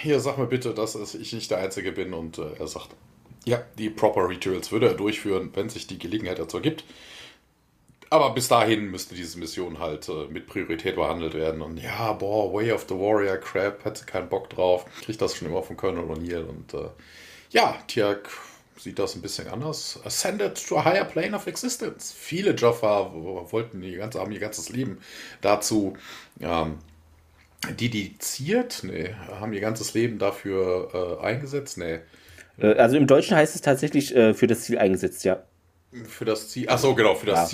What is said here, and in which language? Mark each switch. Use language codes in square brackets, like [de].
[de] Hier, sag mir bitte, dass ich nicht der Einzige bin. Und er sagt, ja, die Proper Rituals würde er durchführen, wenn sich die Gelegenheit dazu ergibt. Aber bis dahin müsste diese Mission halt mit Priorität behandelt werden. Und ja, boah, [en] Way of the Warrior Crap, [de] hätte keinen Bock drauf. Kriegt das schon immer von Colonel O'Neill. Und ja, Teal'c sieht das ein bisschen anders. [en] Ascended to a higher plane of existence. [de] Viele Joffa wollten die ganze, haben ihr ganzes Leben dazu dediziert. Nee, haben ihr ganzes Leben dafür eingesetzt. Nee. Also im Deutschen heißt es tatsächlich für das Ziel eingesetzt, ja. Für das Ziel, ach so, genau, für das